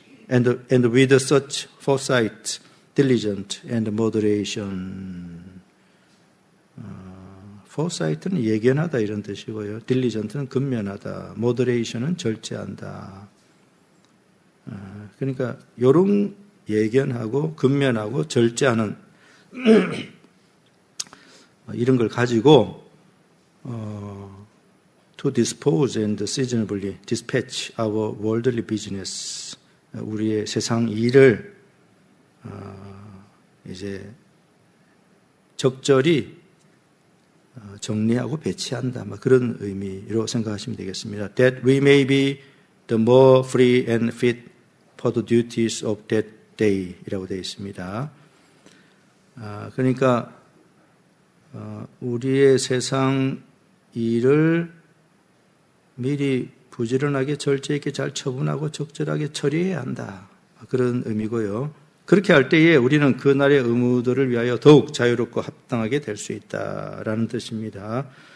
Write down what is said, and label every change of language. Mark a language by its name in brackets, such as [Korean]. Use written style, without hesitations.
[English] And with such foresight, diligent, and moderation. [Korean] Foresight는 예견하다, 이런 뜻이고요. Diligent는 근면하다. Moderation은 절제한다. 그러니까, 요런 예견하고, 근면하고, 절제하는, 이런 걸 가지고, [English] to dispose and seasonably dispatch our worldly business. [Korean] 우리의 세상 일을 이제 적절히 정리하고 배치한다. 그런 의미로 생각하시면 되겠습니다. [English] That we may be the more free and fit for the duties of that day [Korean] 이라고 되어 있습니다. 그러니까 우리의 세상 일을 미리 부지런하게 절제 있게 잘 처분하고 적절하게 처리해야 한다. 그런 의미고요. 그렇게 할 때에 우리는 그날의 의무들을 위하여 더욱 자유롭고 합당하게 될 수 있다라는 뜻입니다.